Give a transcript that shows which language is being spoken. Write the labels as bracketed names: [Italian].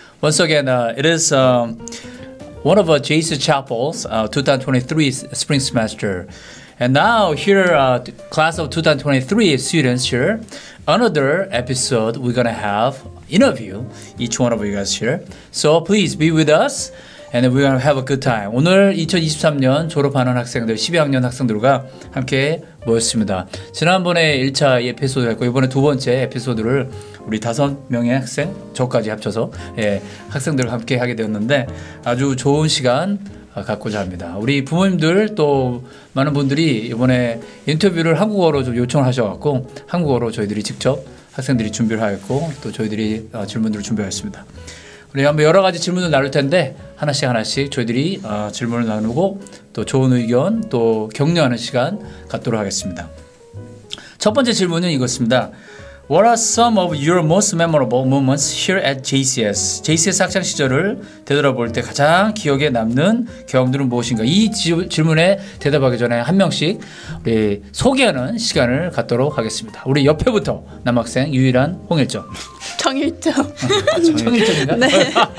[English] Once again, it is one of our GCS Chapels 2023 spring semester. And now here class of 2023 students here, another episode we're going to have interview each one of you guys here. So please be with us and we're gonna have a good time. [Korean] 오늘 2023년 졸업하는 학생들 12학년 학생들과 함께 모였습니다. 지난번에 1차 에피소드 했고 이번에 두 번째 에피소드를 우리 다섯 명의 학생 저까지 합쳐서 예, 학생들과 함께 하게 되었는데 아주 좋은 시간 갖고자 합니다. 우리 부모님들 또 많은 분들이 이번에 인터뷰를 한국어로 좀 요청을 하셔갖고 한국어로 저희들이 직접 학생들이 준비를 하였고 또 저희들이 질문들을 준비하였습니다. 우리 한번 여러 가지 질문을 나눌 텐데 하나씩 하나씩 저희들이 질문을 나누고 또 좋은 의견 또 격려하는 시간 갖도록 하겠습니다. 첫 번째 질문은 이것입니다. [English] What are some of your most memorable moments here at JCS? [Korean] JCS 학창 시절을 되돌아볼 때 가장 기억에 남는 경험들은 무엇인가? 이 질문에 대답하기 전에 한 명씩 우리 소개하는 시간을 갖도록 하겠습니다. 우리 옆에부터 남학생 유일한 홍일점. 정일점. 정일점인가? 네.